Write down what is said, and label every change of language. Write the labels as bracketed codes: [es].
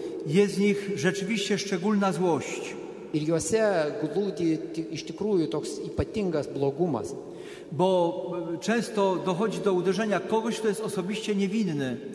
[pl] Je z nich rzeczywiście szczególna złość. [lt] Ir juose glūdi iš tikrųjų toks ypatingas blogumas. [pl] Bo często dochodzi do uderzenia kogoś, kto jest osobiście niewinny.